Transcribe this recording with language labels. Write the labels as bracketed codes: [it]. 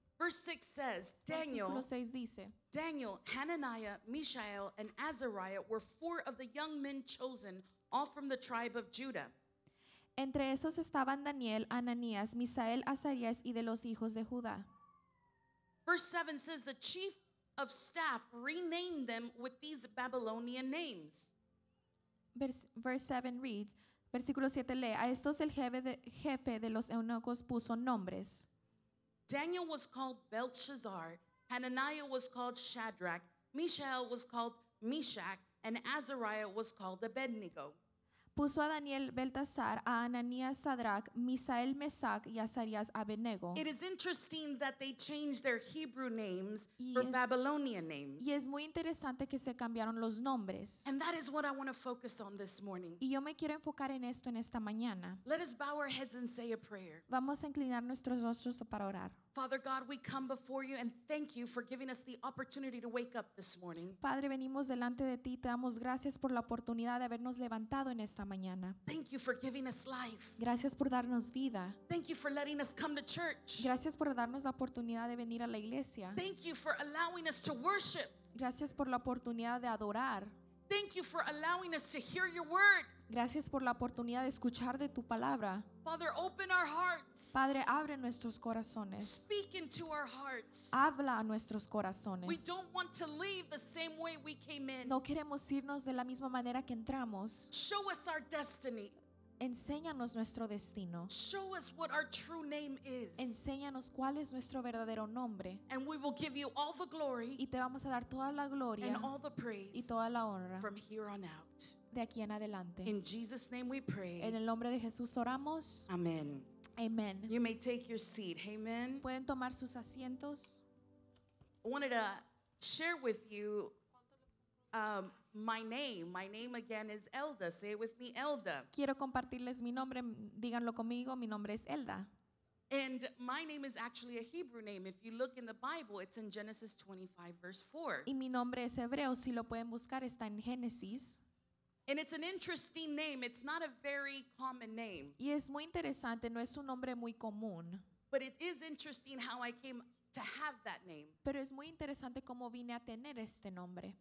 [en] Verse 6 says, Daniel, [es] versículo 6 dice, [en] Daniel, Hananiah, Mishael, and Azariah were 4 of the young men chosen, all from the tribe of Judah. [es] Entre esos estaban Daniel, Ananías, Misael, Azarías y de los hijos de Judá. [en] Verse 7 says the chief of staff renamed them with these Babylonian names. Verse 7 reads, [es] versículo 7 lee, a estos el jefe de los eunucos puso nombres. [en] Daniel was called Belshazzar, Hananiah was called Shadrach, Mishael was called Meshach, and Azariah was called Abednego. [es] Puso a Daniel Beltasar, a Ananías Sadrach, Misael Mesach y Azarías Abednego. [en] It is interesting that they changed their Hebrew names for Babylonian names. [es] Y es muy interesante que se cambiaron los nombres. [en] And that is what I want to focus on this morning. [es] Y yo me quiero enfocar en esto en esta mañana. [en] Let us bow our heads and say a prayer. [es] Vamos a inclinar nuestros rostros para orar. [en] Father God, we come before you and thank you for giving us the opportunity to wake up this morning. [es] Padre, venimos delante de ti, te damos gracias por la oportunidad de habernos levantado en esta mañana. [en] Thank you for giving us life. [es] Gracias por darnos vida. [en] Thank you for letting us come to church. [es] Gracias por darnos la oportunidad de venir a la iglesia. [en] Thank you for allowing us to worship. [es] Gracias por la oportunidad de adorar. [en] Thank you for allowing us to hear your word. [es] Gracias por la oportunidad de escuchar de tu palabra. [en] Father, open our hearts. [es] Padre, abre nuestros corazones. [en] Speak into our hearts. [es] Habla a nuestros corazones. [en] We don't want to leave the same way we came in. [es] No queremos irnos de la misma manera que entramos. [en] Show us our destiny. [es] Enséñanos nuestro destino. [en] Show us what our true name is. [es] Enséñanos cuál es nuestro verdadero nombre. [en] And we will give you all the glory. [es] Y te vamos a dar toda la gloria. [en] And all the praise. [es] Y toda la honra. [en] From here on out. [es] De aquí en adelante. [en] In Jesus' name we pray. [es] En el nombre de Jesús oramos. [en] Amen. [es] Amen. [en] You may take your seat. Amen. [es] Pueden tomar sus asientos. [en] I wanted to share with you my name again is Elda. Say it with me, Elda. [es] Quiero compartirles mi nombre. Díganlo conmigo. Mi nombre es Elda. [en] And my name is actually a Hebrew name. If you look in the Bible, it's in Genesis 25, verse 4. [es] Y mi nombre es hebreo. Si lo pueden buscar, está en Génesis. [en] And it's an interesting name. It's not a very common name. [es] Y es muy interesante. No es un nombre muy común. [en] But it is interesting how I came to have that name. [es] Pero es muy interesante cómo vine a tener este nombre.